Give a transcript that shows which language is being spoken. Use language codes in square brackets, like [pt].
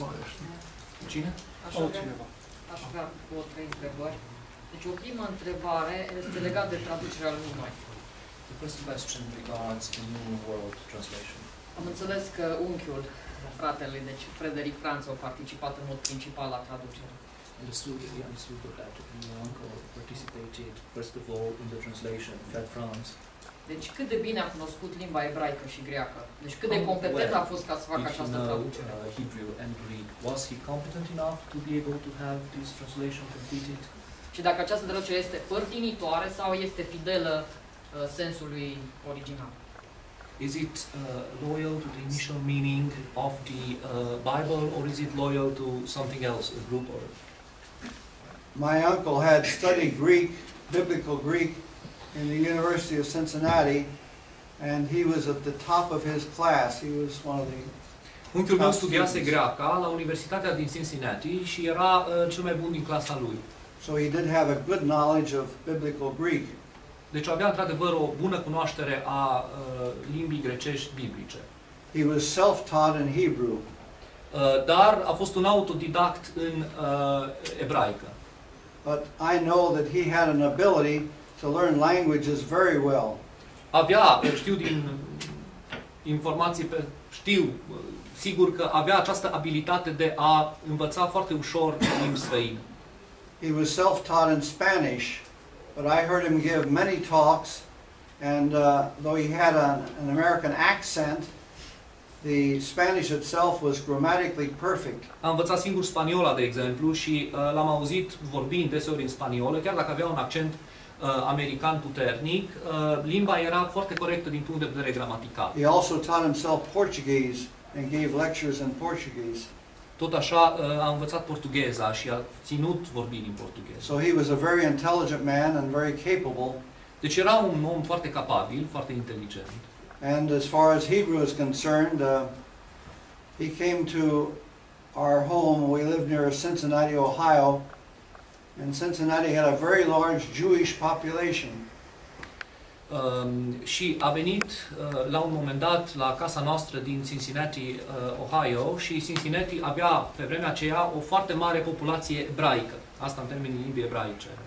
[ro] Aș vrea două, trei întrebări. Deci o primă întrebare este legată de traducerea lumii. [en] The first question regards the new world translation. [ro] Am înțeles că unchiul fratelui, deci Frederic Franz, a participat în mod principal la traducere. [en] Understood that your uncle participated first of all in the translation, Fred Franz. [ro] Deci cât de bine a cunoscut limba ebraică și greacă. Deci cât de competent a fost ca să facă această traducere. [en] Hebrew and Greek. Was he competent enough to be able to have this translation completed? [ro] Și dacă această traducere este părtinitoare sau este fidelă sensului original? [en] Is it loyal to the initial meaning of the Bible or is it loyal to something else, a group or? My uncle had studied Greek, biblical Greek, in the University of Cincinnati, and he was at the top of his class. He was one of the. [ro] Unchiul meu studiase greacă la Universitatea din Cincinnati și era cel mai bun din clasa lui. [en] So he did have a good knowledge of biblical Greek. [ro] Deci avea într-adevăr o bună cunoaștere a limbii grecești biblice. [en] He was self-taught in Hebrew. [ro] Dar a fost un autodidact în ebraică. [en] But I know that he had an ability to learn languages very well. [ro] Avea, știu din informații, știu sigur că avea această abilitate de a învăța foarte ușor limbi străine. [en] He was self-taught in Spanish, but I heard him give many talks, and though he had an American accent, the Spanish itself was grammatically perfect. [ro] A învățat singur spaniola, de exemplu, și l-am auzit vorbind deseori în spaniolă, chiar dacă avea un accent american puternic, limba era foarte corectă din punct de vedere gramatical. [en] He also taught himself Portuguese and gave lectures in Portuguese. [ro] Tot așa a învățat portugheza și a ținut vorbind în portugheză. [en] So he was a very intelligent man and very capable. [ro] Deci era un om foarte capabil, foarte inteligent. [en] And as far as Hebrew is concerned, he came to our home. We lived near Cincinnati, Ohio. And Cincinnati had a very large Jewish population. [ro] Și a venit la un moment dat la casa noastră din Cincinnati, Ohio, și Cincinnati avea pe vremea aceea o foarte mare populație ebraică. Asta în termeni limbii ebraice.